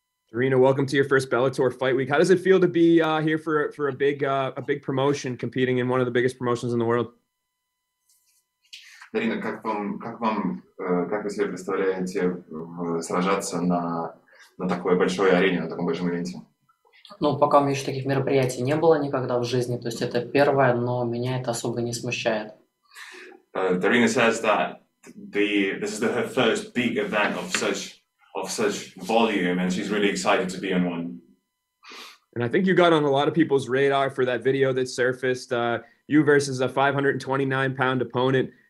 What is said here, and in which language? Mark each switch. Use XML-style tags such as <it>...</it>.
<en>Darina, welcome to your first Bellator Fight Week. How does it feel to be here for a big promotion, competing in one of the biggest promotions in the world?</en> <ru>Дарина, как вы себе представляете сражаться на такой большой арене, на таком большом ивенте? Ну, пока у меня еще таких мероприятий не было никогда в жизни, то есть это первое, но меня это особо не смущает.</ru> <en>Дарина says that this is her first big event of such volume, and she's really excited to be in one. And I think you got on a lot of people's radar for that video that surfaced, you versus a 529-pound opponent.</en>